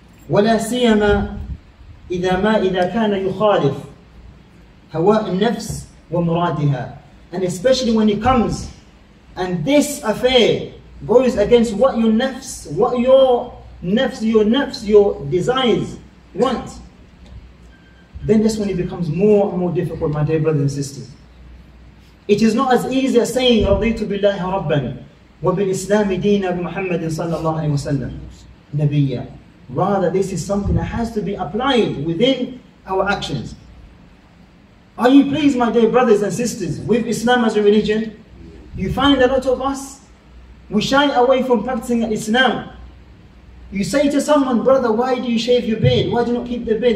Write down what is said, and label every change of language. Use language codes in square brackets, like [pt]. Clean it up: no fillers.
[ar] وَلَا سِيَمَا إِذَا كَانَ يُخَالِفْ هَوَاءَ النَّفْسِ وَمُرَادِهَا, [en] and especially when it comes and this affair goes against what your nafs, what your nafs, your desires want, then this one, it becomes more and more difficult, my dear brothers and sisters. It is not as easy as saying [ar] رَضِيْتُ بِاللَّهِ رَبَّنِ وَبِالْإِسْلَامِ دِينَ مُحَمَّدٍ صَلَّى اللَّهُ عَلَيْهِ وَسَلَّمْ نَبِيًّا. [en] Rather, this is something that has to be applied within our actions. Are you pleased, my dear brothers and sisters, with Islam as a religion? You find a lot of us, we shy away from practicing Islam. You say to someone, brother, why do you shave your beard? Why do you not keep the beard?